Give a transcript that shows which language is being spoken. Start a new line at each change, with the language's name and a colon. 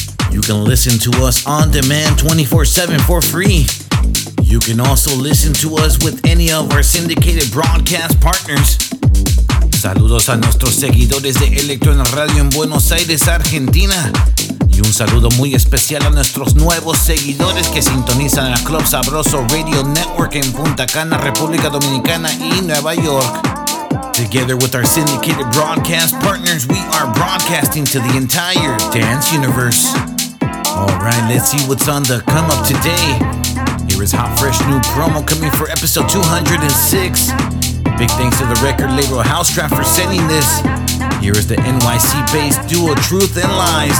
English: You can listen to us on demand 24/7 for free. You can also listen to us with any of our syndicated broadcast partners.
Spanish: Saludos a nuestros seguidores de Electron Radio en Buenos Aires, Argentina. Y un saludo muy especial a nuestros nuevos seguidores que sintonizan a Club Sabroso Radio Network en Punta Cana, República Dominicana y Nueva York.
English: Together with our syndicated broadcast partners, we are broadcasting to the entire dance universe. All right, let's see what's on the come up today. Here is Hot Fresh New Promo coming for episode 206. Big thanks to the record label Housetrap for sending this. Here is the NYC-based duo Truth and Lies.